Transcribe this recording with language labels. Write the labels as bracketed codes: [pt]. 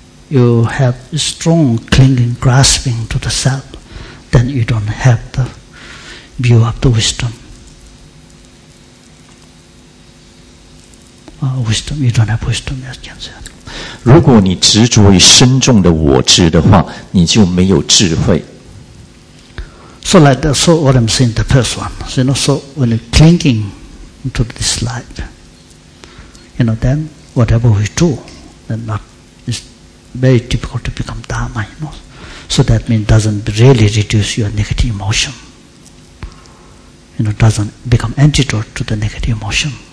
[en] You have strong clinging, grasping to the self, then you don't have the view of the wisdom. Wisdom, you don't have wisdom, as you can say. [zh] 如果你执着于深重的我执的话，你就没有智慧。 [en] So like that, so what I'm saying, the first one, so, you know, so when you're clinging to this life, you know, then,whatever we do, then not, it's very difficult to become Dharma, you know. So that means it doesn't really reduce your negative emotion. You know, doesn't become antidote to the negative emotion.